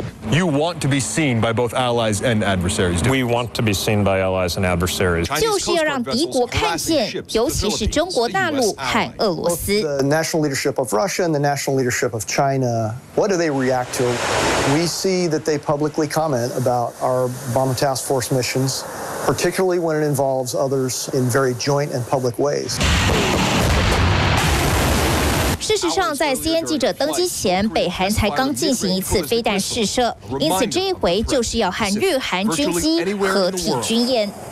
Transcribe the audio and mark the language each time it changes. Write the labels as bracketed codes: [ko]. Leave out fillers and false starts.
[en] You want to be seen by both allies and adversaries. We want to be seen by allies and adversaries. [zh] 就是要让敌国看见，尤其是中国大陆和俄罗斯。 [en] The national leadership of Russia and the national leadership of China. What do they react to? We see that they publicly comment about our bomber task force missions, particularly when it involves others in very joint and public ways. [zh] 事实上，在 CNN 记者登机前，北韩才刚进行一次飞弹试射，因此这一回就是要和日韩军机合体军演。